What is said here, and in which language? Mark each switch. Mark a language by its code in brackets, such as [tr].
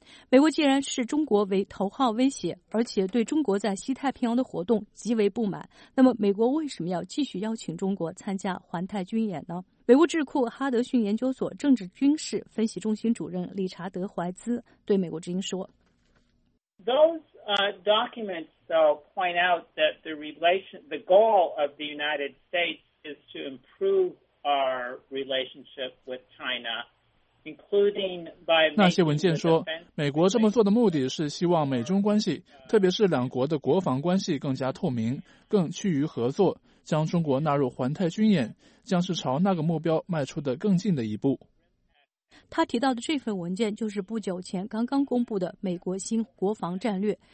[zh] 美国既然视中国为头号威胁，而且对中国在西太平洋的活动极为不满，那么美国为什么要继续邀请中国参加环太军演呢？美国智库哈德逊研究所政治军事分析中心主任理查德·怀兹对美国之音说 [en] Those documents though point out that the goal of the United States is to improve our relationship with China. [zh] 那些文件说，美国这么做的目的是希望美中关系，特别是两国的国防关系更加透明，更趋于合作，将中国纳入环太军演，将是朝那个目标迈出的更近的一步。他提到的这份文件就是不久前刚刚公布的美国新国防战略。